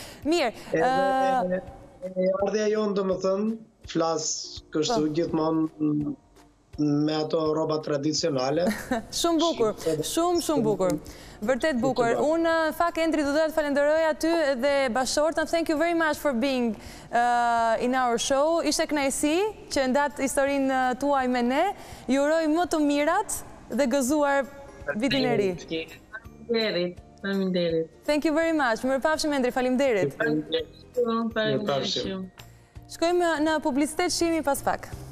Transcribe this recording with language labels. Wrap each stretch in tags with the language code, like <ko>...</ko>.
<sq>Mirë. Ardhja jonë, domethënë, flas kështu gjithmonë me ato rroba tradicionale. Shumë bukur, shumë bukur. Vërtet bukur. Unë fak Endri do të falenderoj aty dhe bashortën.</sq> <en>Thank you very much for being in our show.</en> <sq>Ishte kënaqësi që ndat historinë tuaj me ne. Ju uroj më të mirat dhe gëzuar vitin e ri. Faleminderit.</sq> <en>Thank you very much.</en> <sq>Mirpafshim Endri, faleminderit. Faleminderit. Shkojmë në publicitet, shihemi pas pak.</sq>